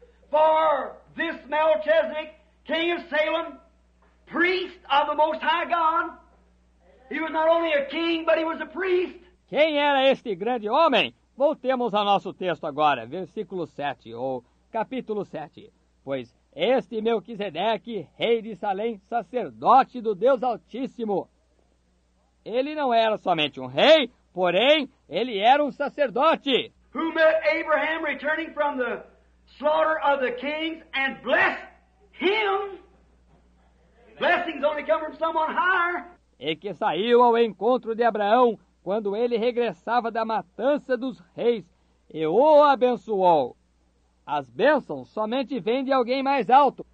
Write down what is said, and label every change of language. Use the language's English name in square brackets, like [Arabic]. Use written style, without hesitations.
[English] For this Melchizedek, king of Salem, priest of the Most High God, he was not only a king, but he was a priest. [Portuguese] Quem era este grande homem? Voltemos ao nosso texto agora, versículo 7, ou capítulo 7. Pois este Melquisedeque, rei de Salém, sacerdote do Deus Altíssimo, ele não era somente um rei, porém, ele era um sacerdote. [English] Who met Abraham returning from the slaughter of the kings and blessed him. Amen. Blessings only come from someone higher. [Portuguese] E que saiu ao encontro de Abraão quando ele regressava da matança dos reis e o abençoou. As bênçãos somente vêm de alguém mais alto.